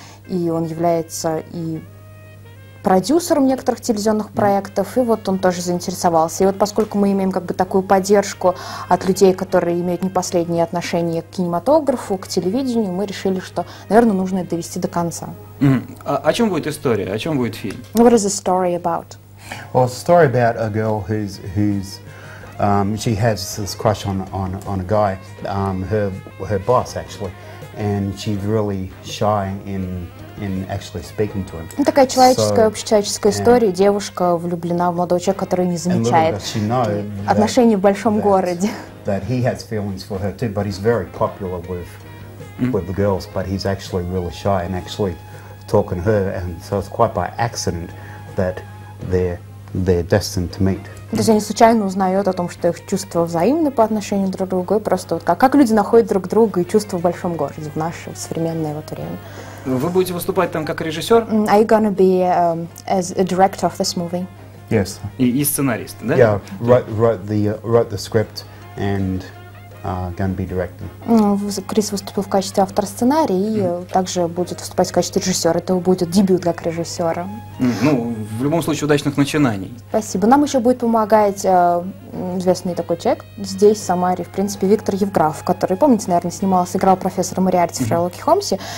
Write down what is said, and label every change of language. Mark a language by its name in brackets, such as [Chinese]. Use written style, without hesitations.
[Russian] И он является и продюсером некоторых телевизионных проектов. И вот он тоже заинтересовался. И вот поскольку мы имеем как бы такую поддержку от людей, которые имеют не последние отношения к кинематографу, к телевидению, мы решили, что, наверное, нужно это довести до конца. О чем будет история? О чем будет фильм? [English] What is the story about? Well, it's a story about a girl who's she has this crush on a guy, her boss actually, and she's really shy in actually speaking to him. [Russian] Такая человеческая, общечеловеческая история. Девушка влюблена в молодого человека, который не замечает отношений в большом городе. [English] That he has feelings for her too, but he's very popular with the girls, but he's actually really shy and actually talking to her, and so it's quite by accident that they're destined to meet. [Russian] То есть они случайно узнают о том, что их чувства взаимны по отношению друг к другу, и просто вот как люди находят друг друга и чувства в большом городе, в наше современное вот время. Вы будете выступать там как режиссер? [English] Are you gonna be as a director of this movie? Yes. [Russian] И сценарист, да? [English] Yeah, wrote the script and gonna be directing. [Russian] Крис выступил в качестве автора сценария и также будет выступать в качестве режиссера. Это будет дебют для режиссера. Ну, в любом случае, удачных начинаний. Спасибо. Нам еще будет помогать известный такой человек здесь, в Самаре, в принципе, Виктор Евграф, который, помните, наверное, снимался, играл профессора Мориарти в Шерлоке Холмсе.